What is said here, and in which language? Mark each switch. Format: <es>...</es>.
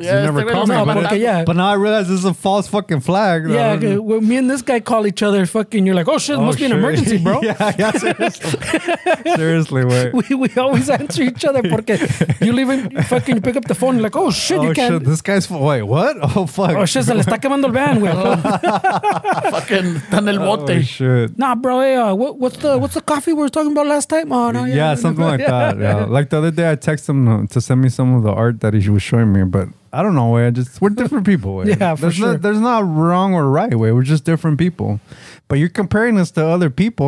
<en>Yeah, you never called me. But now I realize this is a false fucking flag. Yeah, well, me and this guy call each other, fucking, you're like, oh shit, must be an emergency, bro. yeah, seriously. Seriously, wait. We always answer each other porque you leave him, fucking, you pick up the phone, you're like, oh shit, Shit, this guy's, wait, what? Oh fuck. Oh shit,</en> <es>se le está quemando el van, güey.</es> <en>Fucking,</en> <es>tan el bote.</es> <en>Oh shit. Nah, bro, what's the coffee we were talking about last time? Oh, no, yeah something like that. Yeah, like the other day I texted him to send me some of the art that he was showing me, but I don't know. We're different people. There's not wrong or right way. We're just different people. But you're comparing us to other people.</en>